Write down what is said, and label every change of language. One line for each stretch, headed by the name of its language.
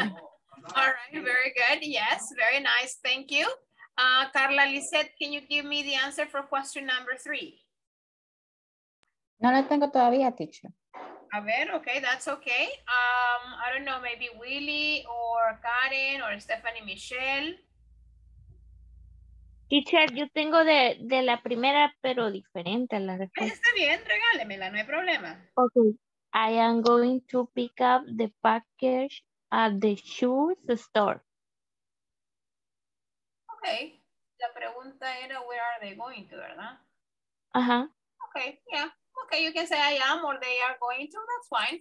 English: All right, very good. Yes, very nice. Thank you. Carla Lisette, can you give me the answer for question number three?
Spanish: No la tengo todavía, teacher. A ver,
English: okay, that's okay. I don't know, maybe Willie or Karen or Stephanie Michelle.
Spanish: Teacher, yo tengo de la primera, pero diferente a la respuesta. Está bien, regálemela, no hay problema.
English: Okay, I am going to pick up the package at the shoes store.
Spanish: Okay, la pregunta era
English: where are they going to,
Spanish: ¿verdad? Ajá.
English: Okay, yeah. Okay, you can say I am or they are going to, that's fine.